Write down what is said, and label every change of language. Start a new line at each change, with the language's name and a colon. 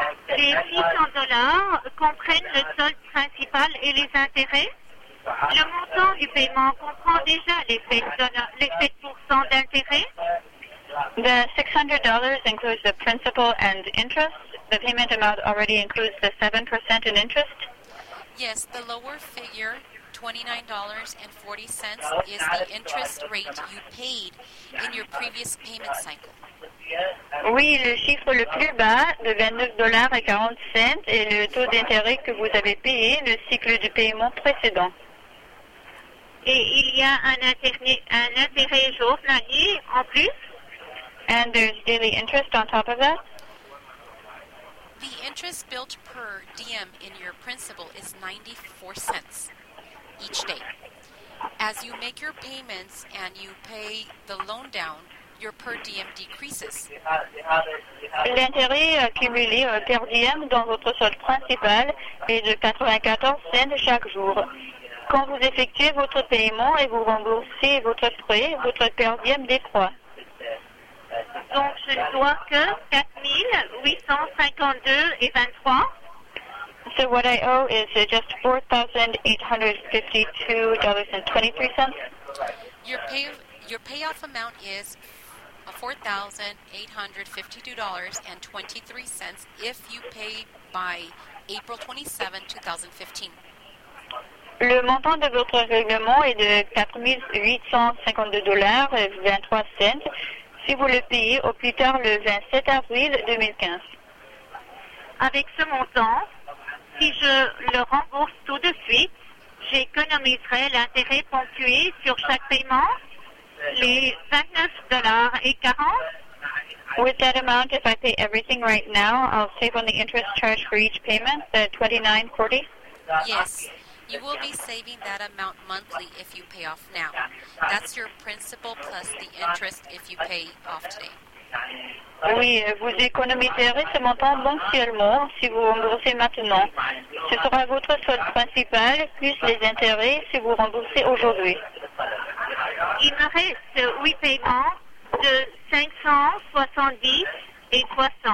French: Les 600 $ comprennent le solde principal et les intérêts? Le montant du paiement comprend déjà les 7% d'intérêt?
English: The $600 includes the principal and interest. The payment amount already includes the 7% in interest. Yes, the lower figure, $29.40, is the interest rate you paid in your previous payment cycle.
French: Oui, le chiffre le plus bas, de $29.40, est le taux d'intérêt que vous avez payé le cycle du paiement précédent. Et il y a un intérêt journalier en plus?
English: And there's daily interest on top of that? The interest billed per diem in your principal is 94 cents each day. As you make your payments and you pay the loan down, your per diem decreases.
French: L'intérêt cumulé per diem dans votre solde principal est de 94 cents chaque jour. Quand vous effectuez votre paiement et vous remboursez votre prêt, votre per diem décroît. Donc, je ne dois que 4,852,23.
English: So, what I owe is just $4,852.23. Your payoff amount is $4,852.23 if you pay by April 27, 2015.
French: Le montant de votre règlement est de $4,852.23. Si vous le payez au plus tard le 27 avril 2015. Avec ce montant, si je le rembourse tout de suite, j'économiserai l'intérêt ponctué sur chaque paiement, les $29.40.
English: With that amount, if I pay everything right now, I'll save on the interest charge for each payment, the $29.40. Yes. You will be saving that amount monthly if you pay off now. That's your principal plus the interest if you pay off today.
French: Oui, vous économiserez ce montant mensuellement si vous remboursez maintenant. Ce sera votre solde principal plus les intérêts si vous remboursez aujourd'hui. Il me reste 8 paiements de 570 et 60.